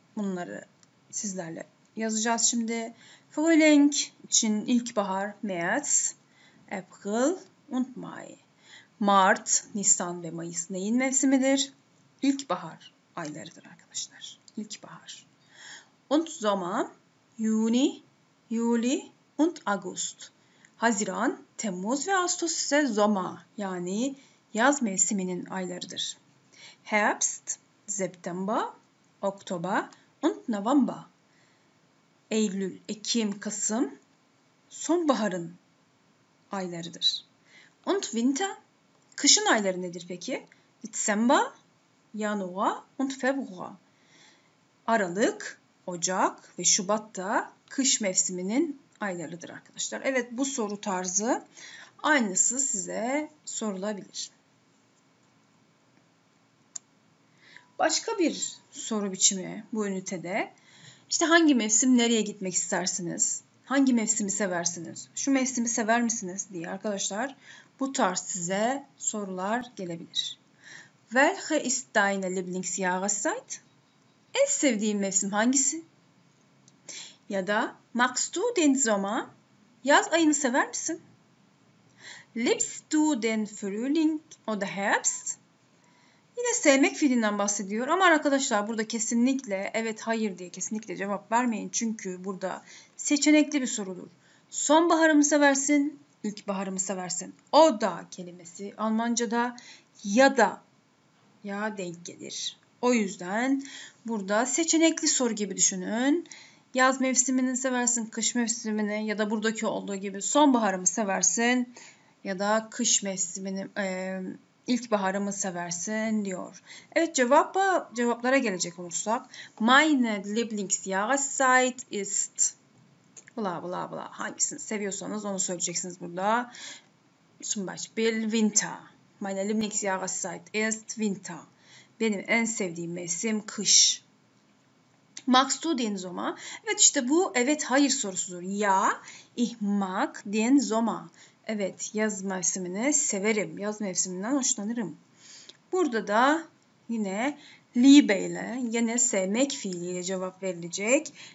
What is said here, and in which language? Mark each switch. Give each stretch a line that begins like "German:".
Turkish: Bunları sizlerle yazacağız şimdi. Frühling için ilkbahar,
German: März, April und Mai.
Turkish: Mart, Nisan ve Mayıs neyin mevsimidir? İlkbahar aylarıdır arkadaşlar. İlkbahar.
German: Und Sommer, Juni, Juli und August.
Turkish: Haziran, Temmuz ve Ağustos ise Sommer, yani yaz mevsiminin aylarıdır.
German: Herbst, September, Oktober und November.
Turkish: Eylül, Ekim, Kasım sonbaharın aylarıdır.
German: Und Winter,
Turkish: kışın ayları nedir peki?
German: Dezember, Januar und Februar.
Turkish: Aralık, Ocak ve Şubat da kış mevsiminin aylarıdır arkadaşlar. Evet, bu soru tarzı aynısı size sorulabilir. Başka bir soru biçimi bu ünitede. İşte hangi mevsim nereye gitmek istersiniz? Hangi mevsimi seversiniz? Şu mevsimi sever misiniz diye arkadaşlar bu tarz size sorular gelebilir.
German: Welche ist deine Lieblingsjahreszeit?
Turkish: En sevdiğin mevsim hangisi? Ya da
German: magst du den Sommer?
Turkish: Yaz ayını sever misin?
German: Liebst du den Frühling oder Herbst?
Turkish: Yine sevmek fiilinden bahsediyor ama arkadaşlar burada kesinlikle evet hayır diye kesinlikle cevap vermeyin. Çünkü burada seçenekli bir sorudur. Sonbaharı mı seversin, ilkbaharı mı seversin? O da kelimesi Almanca'da ya da ya denk gelir. O yüzden burada seçenekli soru gibi düşünün. Yaz mevsimini seversin, kış mevsimini ya da buradaki olduğu gibi sonbaharı mı seversin ya da kış mevsimini İlkbaharı mı seversin diyor. Evet, cevaplara gelecek olursak.
German: Meine Lieblingsjahreszeit ist bla bla bla.
Turkish: Hangisini seviyorsanız onu söyleyeceksiniz burada.
German: Zum Beispiel Winter. meine Lieblingsjahreszeit ist Winter.
Turkish: Benim en sevdiğim mevsim kış.
German: Magst du den Sommer?
Turkish: Evet işte bu evet hayır sorusudur.
German: Ja, ich mag den Sommer.
Turkish: Evet, yaz mevsimini severim. Yaz mevsiminden hoşlanırım. Burada da yine liebe ile, yine sevmek fiiliyle cevap verilecek.